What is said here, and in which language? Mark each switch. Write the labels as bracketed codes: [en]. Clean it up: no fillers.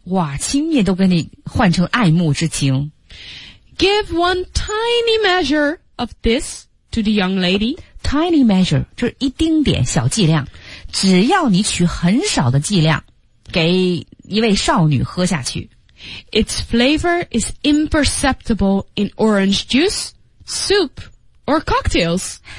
[zh] 哇,轻蔑都给你换成爱慕之情。 [en] Give one tiny measure of this to the young lady. Tiny measure, [zh] 就是一丁点小剂量。只要你取很少的剂量,给一位少女喝下去。 [en] Its flavor is imperceptible in orange juice, soup, or cocktails.